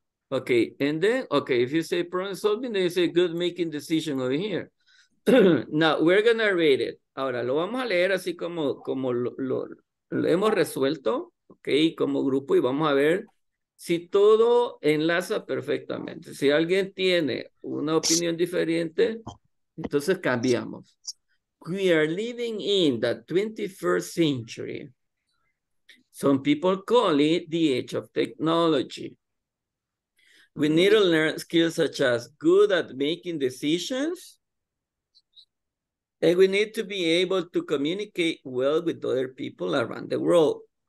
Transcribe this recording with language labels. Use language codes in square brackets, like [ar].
[en] Okay, and then, okay, if you say problem solving, then you say good making decision over here. Now, we're going to read it. [es] Ahora, lo vamos a leer así como lo hemos resuelto, okay, como grupo, y vamos a ver si todo enlaza perfectamente. Si alguien tiene una opinión diferente, entonces cambiamos. [en] We are living in the 21st century. Some people call it the age of technology. We need to learn skills such as good at making decisions, and we need to be able to communicate well with other people around the world.